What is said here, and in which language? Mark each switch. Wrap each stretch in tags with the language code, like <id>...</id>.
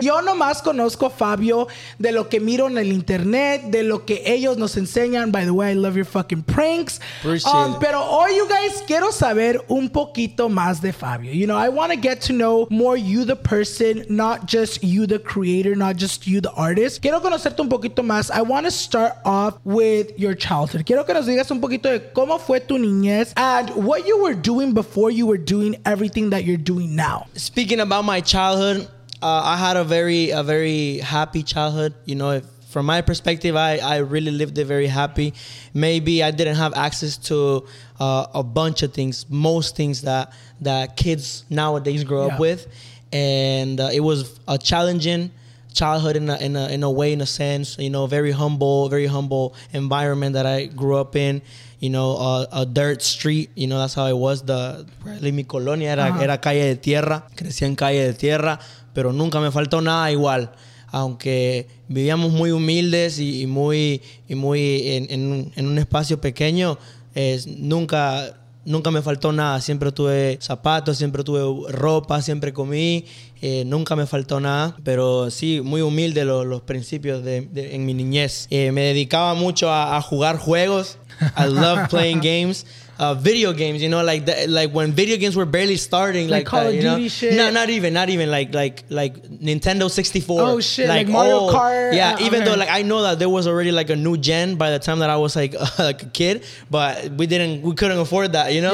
<es>Yo nomás conozco a Fabio de lo que miro en el internet, de lo que ellos nos enseñan.</es> <en>By the way, I love your fucking pranks. Appreciate it.</en> <es>Pero hoy,</es> <en>you guys,</en> <es>quiero saber un poquito más de Fabio.</es> <en>You know, I want to get to know more you, the person, not just you, the creator, not just you, the artist.</en> <es>Quiero conocerte un poquito más.</es> <en>I want to start off with your childhood.</en> <es>Quiero que nos digas un poquito de cómo fue tu niñez</es> <en>and what you were doing before you were doing everything that you're doing now. Speaking about my childhood, I had a very happy childhood. You know, from my perspective, I really lived it very happy. Maybe I didn't have access to a bunch of things, most things that kids nowadays grow up with. And it was a challenging childhood in a sense, you know, very humble environment that I grew up in, you know, a dirt street, you know, that's how it was.</en> <es>Mi colonia era calle de tierra, crecí en calle de tierra, pero nunca me faltó nada igual, aunque vivíamos muy humildes y muy en un espacio pequeño, nunca me faltó nada, siempre tuve zapatos, siempre tuve ropa, siempre comí, nunca me faltó nada, pero sí, muy humilde los principios de en mi niñez. Me dedicaba mucho a jugar juegos.</es> <en>I love playing games. Video games, you know, like when video games were barely starting, like Call of Duty shit. No, not even like Nintendo 64. Oh shit, like Mario Kart. Yeah, even though like I know that there was already like a new gen by the time that I was like a kid, but we couldn't afford that, you know.</en>